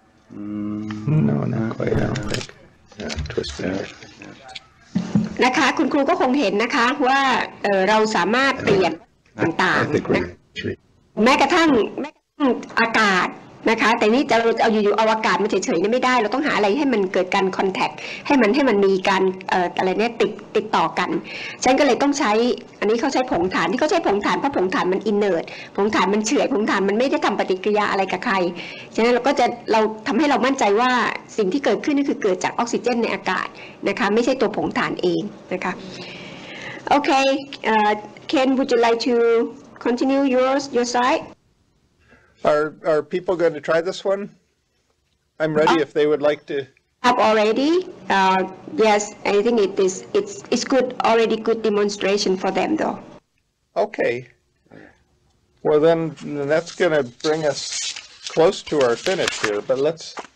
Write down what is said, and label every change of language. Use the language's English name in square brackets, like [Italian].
[English] No, not quite, I don't think. Yeah, twist there. Yeah. [Thai] นะคะ คุณครูก็คงเห็นนะคะว่าเราสามารถเปลี่ยนต่างๆแม้กระทั่งอากาศนะคะแต่นี่จะเอาอยู่ๆเอาอากาศมาเฉยๆนี่ไม่ได้เราต้องหาอะไรให้มันเกิดการคอนแทคให้มันมีการอะไรเนี่ยติดต่อกันฉันก็เลยต้องใช้อันนี้เขาใช้ผงถ่านที่เขาใช้ผงถ่านเพราะผงถ่านมันอินเนิร์ตผงถ่านมันเฉื่อยผงถ่านมันไม่ได้ทําปฏิกิริยาอะไรกับใคร ฉะนั้นเราทําให้เรามั่นใจว่าสิ่งที่เกิดขึ้นนี่คือเกิดจากออกซิเจนในอากาศนะคะไม่ใช่ตัวผงถ่านเองนะคะโอเคKen [English] would you like toContinue your side. Are people going to try this one? I'm ready if they would like to. Up already. Yes, I think it is. It's good. Already good demonstration for them, though. Okay. Well, then that's going to bring us close to our finish here. But let's.